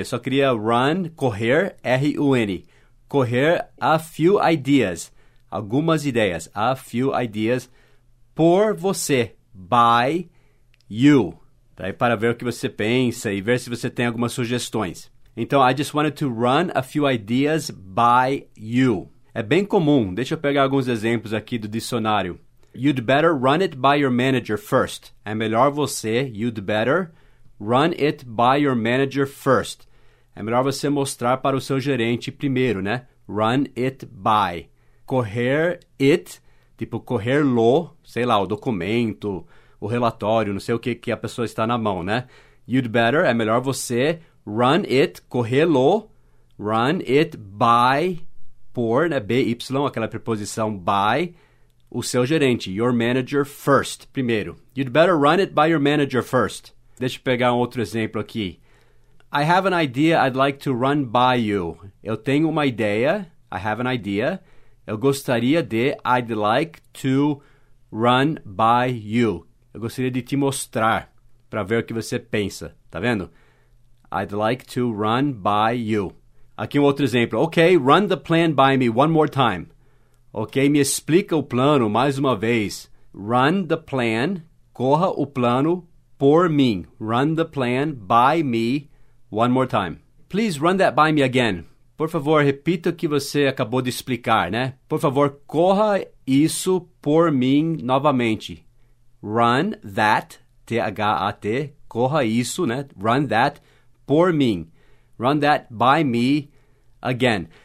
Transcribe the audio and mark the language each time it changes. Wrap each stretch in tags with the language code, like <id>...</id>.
<pt>Eu só queria run, correr, R-U-N, correr</pt> <en>a few ideas,</en> <pt>algumas ideias, a few ideas por você,</pt> <en>by you.</en> <pt>Daí para ver o que você pensa e ver se você tem algumas sugestões. Então,</pt> <en>I just wanted to run a few ideas by you.</en> <pt>É bem comum. Deixa eu pegar alguns exemplos aqui do dicionário.</pt> <en>You'd better run it by your manager first.</en> <pt>É melhor você,</pt> <en>you'd better run it by your manager first.</en> <pt>É melhor você mostrar para o seu gerente primeiro, né? Run it by. Correr it, tipo correr-lo, sei lá, o documento, o relatório, não sei o que, que a pessoa está na mão, né?</pt> <en>You'd better,</en> <pt>é melhor você run it, corrê-lo,</pt> <en>run it by,</en> <pt>por, né, B-Y, aquela preposição by, o seu gerente,</pt> <en>your manager first,</en> <pt>primeiro.</pt> <en>You'd better run it by your manager first.</en> <pt>Deixa eu pegar um outro exemplo aqui.</pt> <en>I have an idea I'd like to run by you.</en> <pt>Eu tenho uma ideia,</pt> <en>I have an idea,</en> <pt>eu gostaria de,</pt> <en>I'd like to run by you.</en> <pt>Eu gostaria de te mostrar para ver o que você pensa, tá vendo?</pt> <en>I'd like to run by you.</en> <pt>Aqui um outro exemplo.</pt> <en>Ok, run the plan by me one more time.</en> <pt>Ok, me explica o plano mais uma vez.</pt> <en>Run the plan,</en> <pt>corra o plano por mim.</pt> <en>Run the plan by me one more time. Please run that by me again.</en> <pt>Por favor, repita o que você acabou de explicar, né? Por favor, corra isso por mim novamente.</pt> <en>Run that,</en> <pt>T-H-A-T, corra isso, né?</pt> <en>Run that</en> <pt>por mim.</pt> <en>Run that by me again.</en>